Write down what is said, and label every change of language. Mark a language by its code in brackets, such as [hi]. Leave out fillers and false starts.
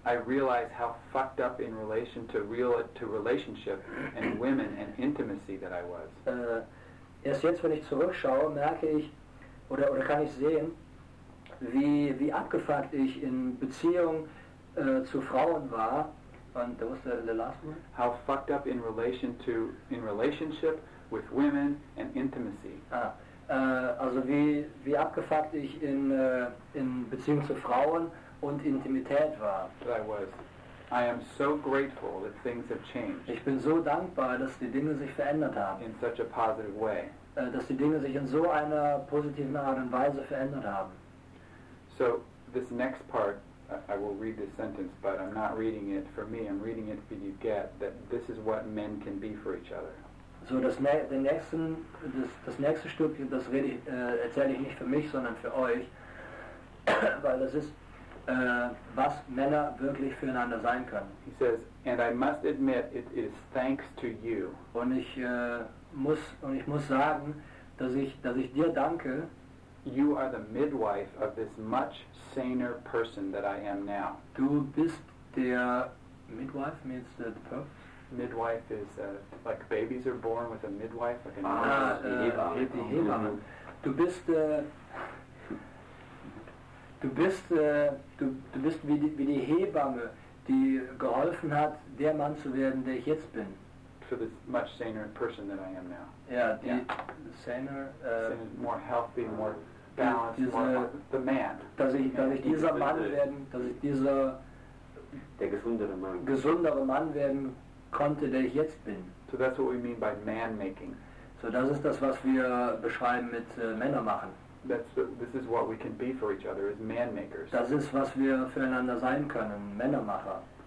[en] I realize how fucked up in relation to relationship and women and intimacy that I was. [de] Erst jetzt, wenn ich zurückschaue, merke ich oder kann ich sehen, wie abgefuckt ich in Beziehung zu Frauen war. [en] Und that was the last one. How fucked up in relation to in relationship with women and intimacy. [de] Also wie abgefuckt ich in Beziehung zu Frauen und Intimität war. [en] I was. I am so grateful that things have changed. [de] Ich bin so dankbar, dass die Dinge sich verändert haben. [en] In such a positive way. [de] Dass die Dinge sich in so einer positiven Art und Weise verändert haben. [en] So this next part, I will read this sentence, but I'm not reading it for me. I'm reading it for you. Get that this is what men can be for each other. [de] So das nächste Stück, das erzähle ich nicht für mich, sondern für euch, weil das ist, was Männer wirklich füreinander sein können. [en] He says, and I must admit, it is thanks to you. [de] Und ich muss sagen, dass ich dir danke. [en] You are the midwife of this much saner person that I am now. [de] Du bist der midwife, [en] means the perfect. Midwife is like babies are born with a midwife. Like a [de] Hebamme. Du bist wie die Hebamme, die geholfen hat, der Mann zu werden, der ich jetzt bin. [en] For the much saner person that I am now. Saner, more healthy, more balanced, more the man. [de] Dass ich dieser Mann werden, dass ich dieser der gesundere Mann. Gesundere Mann werden konnte, der ich jetzt bin. [en] So that's what we mean by man making. [de] So das ist das, was wir beschreiben mit Männer machen. [en] This is what we can be for each other as man makers. [de] Das ist was wir füreinander sein können, Männermacher.